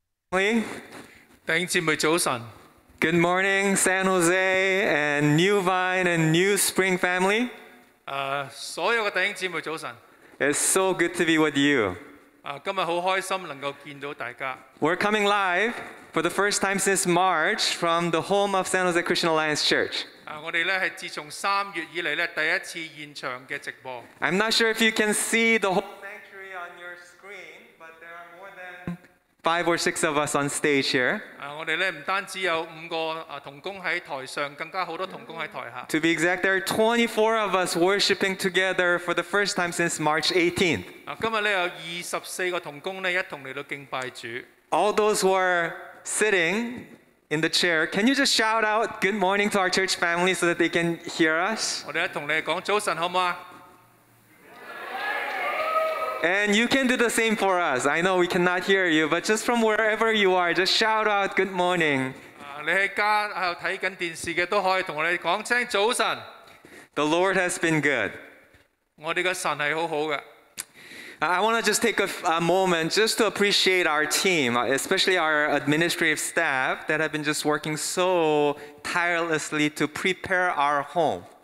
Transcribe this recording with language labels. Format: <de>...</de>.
<en>Hey,</en> <zh>弟兄姊妹早晨。</zh> <en>Good morning, San Jose and New Vine and New Spring family.</en> <zh>所有的弟兄姊妹早晨。</zh> <en>It's so good to be with you.</en> <zh>今天很开心能够见到大家。</zh> <en>We're coming live for the first time since March from the home of San Jose Christian Alliance Church.</en> <zh>我们是自从3月以来第一次现场的直播。</zh> <en>I'm not sure if you can see the whole sanctuary on your screen, but there are more than five or six of us on stage here.</en> <zh>我们不单只有五个同工在台上，更加很多同工在台下。</zh> <en>To be exact, there are 24 of us worshiping together for the first time since March 18th.</en> <zh>今天有24个同工一同来敬拜主。</zh> <en>All those who are sitting in the chair, can you just shout out good morning to our church family so that they can hear us?</en> <zh>我们一同来说早晨好吗？</zh> <en>And you can do the same for us. I know we cannot hear you, but just from wherever you are, just shout out, good morning.</en> <zh>你在家看电视的都可以跟我们说声早晨。</zh> <en>The Lord has been good.</en> <zh>我们的神是很好的。</zh> <en>I want to just take a moment just to appreciate our team, especially our administrative staff that have been just working so tirelessly to prepare our home.</en>